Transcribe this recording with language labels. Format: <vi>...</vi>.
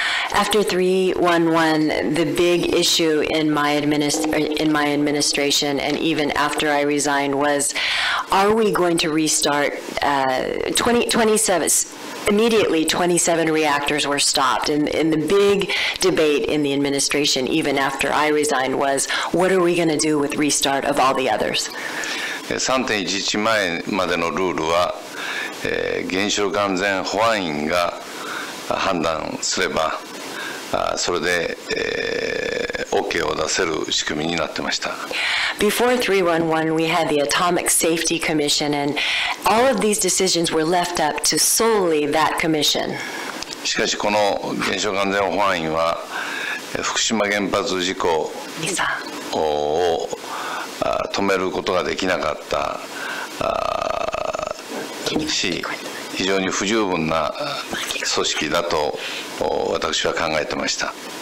<en>After 3.11, the big issue in my administration, and even after I resigned, was, are we going to restart 27? Immediately, 27 reactors were stopped, and the big debate in the administration, even after I resigned, was, what are we going to do with restart of all the others?</en> <ja>3.11 前までのルールは、原子力安全保安院が判断すれば。それで、OK を出せる仕組みになってました。</ja> <en>Before 3.11, we had the Atomic Safety Commission, and all of these decisions were left up to solely that commission.</en> <ja>しかし、この原子力安全保安院は、福島原発事故を止めることができなかったし、非常に不十分な組織だと私は考えてました。</ja>